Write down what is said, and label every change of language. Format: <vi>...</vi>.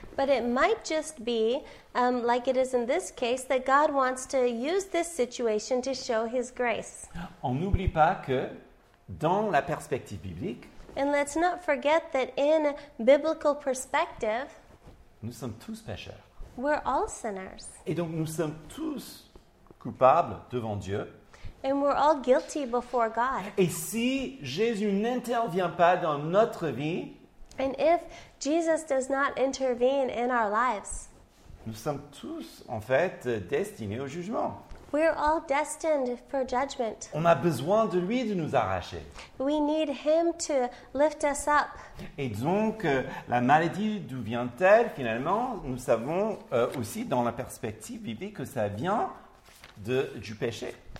<en>But it might just be, like it is in this case, that God wants to use this situation to show his grace.</en> <fr>On n'oublie pas que dans la perspective biblique,</fr> <en>and let's not forget that in biblical perspective,</en> <fr>nous sommes tous pécheurs.</fr> <en>We're all sinners.</en> <fr>Et donc nous sommes tous coupables devant Dieu.</fr> <en>And we're all guilty before God.</en> <fr>Et si Jésus n'intervient pas dans notre vie,</fr> <en>and if Jesus does not intervene in our lives,</en> <fr>nous sommes tous, en fait, destinés au jugement.</fr> <en>We're all destined for judgment.</en> <fr>On a besoin de lui de nous arracher.</fr> <en>We need him to lift us up.</en> <fr>Et donc, la maladie, d'où vient-elle, finalement, nous savons aussi, dans la perspective biblique, que ça vient du péché.</fr>